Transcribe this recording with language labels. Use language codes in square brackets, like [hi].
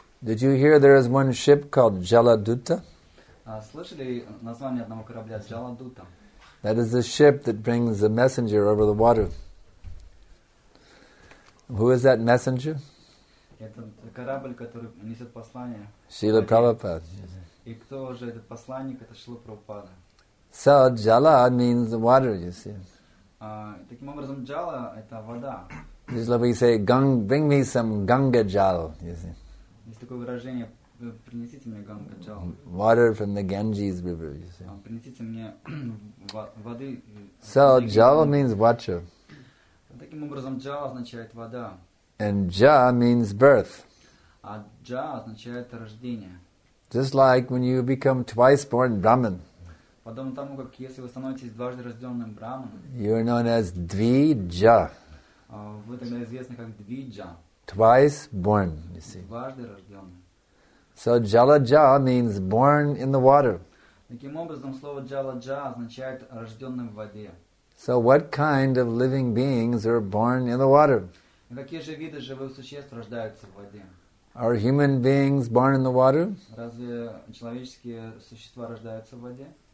[en] Did you hear there is one ship called Jaladuta? [ru] Слышали название одного корабля Jaladuta? [en] That is the ship that brings the messenger over the water. Who is that messenger? [ru] Это корабль, который несет послание. Шрила Прабхупада. И кто же этот посланник? Это Шрила Прабхупада. [en] So Jala means the water, you see. [ru] Таким образом, Jala это вода. [en] Just like we say, bring me some Ganga Jal, you see. [ru] Есть такое выражение, принесите мне Ganga Jal. [en] Water from the Ganges River, you see. [ru] Принесите мне воды. [en] So, Jal means water. [ru] Таким образом, Jal означает вода. [en] And Ja means birth. [ru] А Ja означает рождение. [en] Just like when you become twice born Brahmin. [ru] Подобно тому, как если вы становитесь дважды рожденным Брахман. [en] You are known as Dvija. [ru] Вы тогда известны как Dvija. [en] Twice born, you see. [ru] Дважды рожденный. [en] So Jalaja means born in the water. [ru] Таким образом, слово Jalaja означает рожденный в воде. [en] So what kind of living beings are born in the water? [ru] Какие же виды живых существ рождаются в воде? [en] Are human beings born in the water? [ru] Разве человеческие существа рождаются в воде?